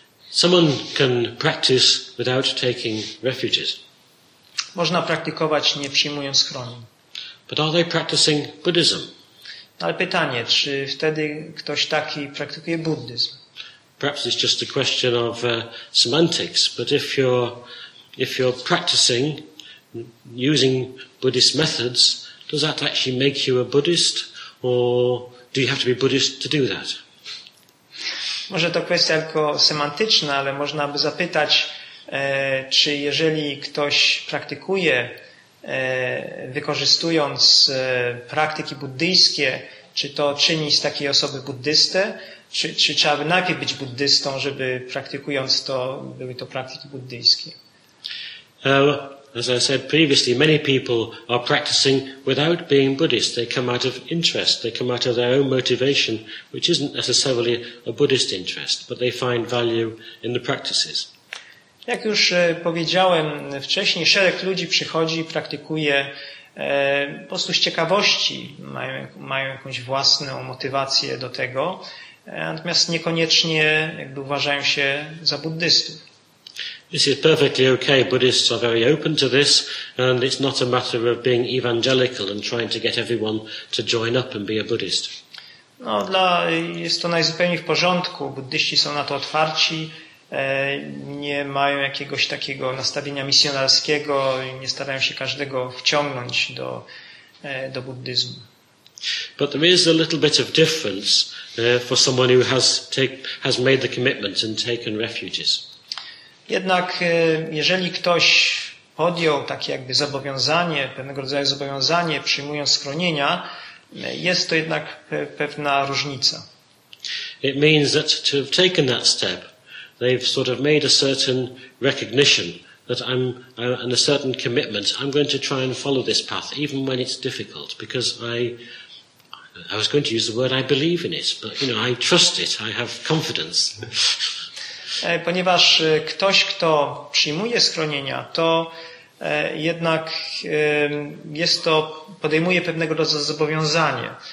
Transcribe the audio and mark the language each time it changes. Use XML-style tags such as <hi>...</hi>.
<en>Someone can practice without taking refuges.</en> <pl>Można praktykować nie przyjmując schronień.</pl> <en>But are they practicing Buddhism?</en> <pl>Ale pytanie, czy wtedy ktoś taki praktykuje buddyzm?</pl> <en>Perhaps it's just a question of semantics, but if you're practicing using Buddhist methods, does that actually make you a Buddhist, or do you have to be Buddhist to do that?</en> <pl>Może to kwestia tylko semantyczna, ale można by zapytać, czy jeżeli ktoś praktykuje, wykorzystując praktyki buddyjskie, czy to czyni z takiej osoby buddystę, czy trzeba by najpierw być buddystą, żeby praktykując to, były to praktyki buddyjskie?</pl> <en>As I said previously, many people are practicing without being Buddhist. They come out of interest. They come out of their own motivation, which isn't necessarily a Buddhist interest, but they find value in the practices.</en> <pl>Jak już powiedziałem wcześniej, szereg ludzi przychodzi, praktykuje po prostu z ciekawości, mają jakąś własną motywację do tego, natomiast niekoniecznie jakby uważają się za buddystów.</pl> <en>This is perfectly okay. Buddhists are very open to this, and it's not a matter of being evangelical and trying to get everyone to join up and be a Buddhist.</en> <pl>No, jest to najzupełniej w porządku. Buddyści są na to otwarci, nie mają jakiegoś takiego nastawienia misjonarskiego i nie starają się każdego wciągnąć do buddyzmu.</pl> <en>But there is a little bit of difference for someone who has made the commitment and taken refuges.</en> <pl>Jednak jeżeli ktoś podjął takie jakby zobowiązanie, pewnego rodzaju zobowiązanie, przyjmując schronienia, jest to jednak pewna różnica.</pl> <en>It means that to have taken that step, they've sort of made a certain recognition that I'm and a certain commitment. I'm going to try and follow this path, even when it's difficult, because I was going to use the word I believe in it, but you know, I trust it, I have confidence.</en> <pl>Ponieważ ktoś, kto przyjmuje schronienia, to jednak jest to, podejmuje pewnego rodzaju zobowiązanie.</pl>